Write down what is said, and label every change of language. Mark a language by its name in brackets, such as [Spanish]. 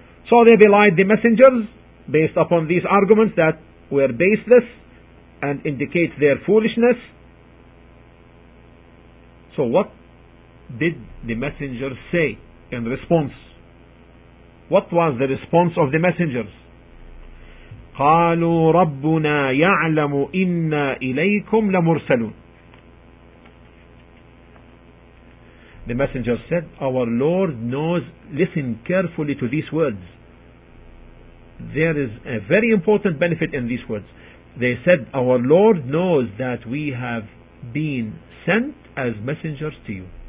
[English] So they belied the messengers based upon these arguments that were baseless and indicate their foolishness. So what did the messengers say in response? What was the response of the messengers? [Arabic] قالوا ربنا يعلم إنا إليكم لمرسلون. [English] The messenger said, our Lord knows, listen carefully to these words. There is a very important benefit in these words. They said, our Lord knows that we have been sent as messengers to you.